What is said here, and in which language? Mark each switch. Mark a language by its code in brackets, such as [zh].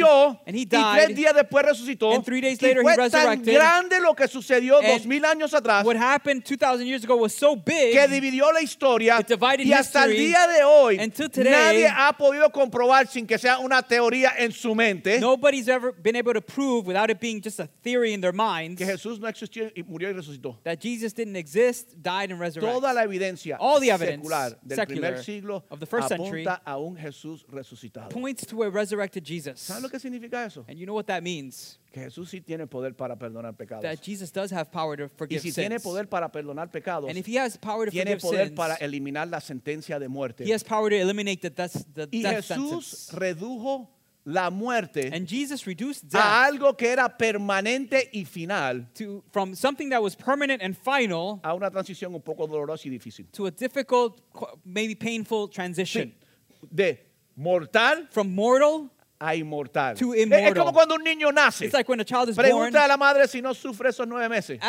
[es] murió, [en] and he died, [es] y tres días después resucitó, [en] and 3 days later he resurrected. [es] Y fue tan grande lo que sucedió 2000 años atrás, [en] what happened 2,000 years ago was so big [es] que dividió la historia, [en] it divided [es] y hasta [en] history [es] el día de hoy, [en] until today [es] nadie ha podido comprobar sin que sea una teoría en su mente, [en] nobody's ever been able to prove without it being just a theory in their minds [es] que Jesús no existió y murió y resucitó, [en] that Jesus didn't exist, died and resurrected. [es] Toda la evidencia, [en] all the evidence [es] secular, del [en] secular [es] primer siglo [en] of the first century [es] apunta a un Jesús resucitado, [en] points to a resurrected Jesus. [es] ¿Sabes lo que significa eso? [en] And you know what that means? [es] Que Jesús sí tiene poder para perdonar pecados. [en] That Jesus does have power to forgive sins. [es] Y si tiene poder para perdonar pecados, [en] and if he has power to [es] tiene [en] forgive [es] poder [en] sins, [es] para eliminar la sentencia de muerte. [en] He has power to eliminate the death sentence. [es] Y Jesús [en] sentence. [es] Redujo la muerte, [en] and Jesus reduced death [es] a algo que era permanente y final, [en] to, from something that was permanent and final, [es] a una transición un poco dolorosa y difícil, [en] to a difficult, maybe painful transition. [es] De mortal, [en] from mortal, [es] a inmortal. [en] To immortal. [es] Es como cuando un niño nace. [en] It's like when a child is [es] pregunta [en] born. [es] A la madre si no sufre esos 9 meses.